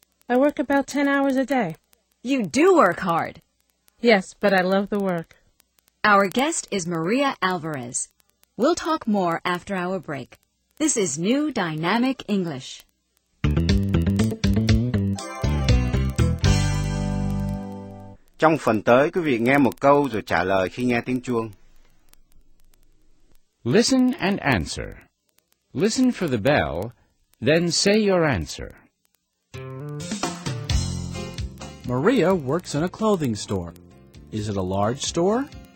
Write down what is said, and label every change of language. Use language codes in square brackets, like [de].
[en] I work about 10 hours a day. You do work hard. Yes, but I love the work. Our guest is Maria Alvarez. We'll talk more after our break. This is New Dynamic English. [vi] Trong phần tới, quý vị nghe một câu rồi trả lời khi nghe tiếng chuông. [en] Listen and answer. Listen for the bell, then say your answer. Maria works in a clothing store. Is it a large store?